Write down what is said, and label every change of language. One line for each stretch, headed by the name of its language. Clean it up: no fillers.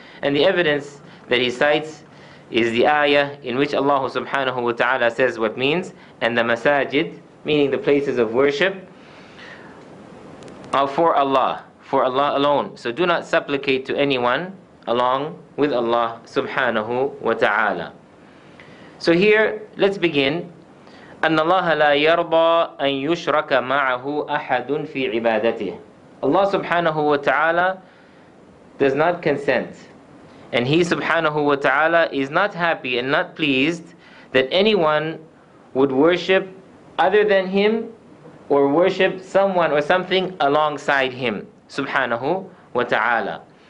English: And the evidence that he cites is the ayah in which Allah subhanahu wa ta'ala says what means, "And the masajid," meaning the places of worship, "are for Allah alone. So do not supplicate to anyone along with Allah subhanahu wa ta'ala." So here, let's begin.
Arabic: أَنَّ اللَّهَ لَا يَرْضَى أَن يُشْرَكَ مَعَهُ أَحَدٌ فِي عِبَادَتِهِ.
English: Allah subhanahu wa ta'ala does not consent, and He subhanahu wa ta'ala is not happy and not pleased that anyone would worship other than Him or worship someone or something alongside Him subhanahu wa ta'ala.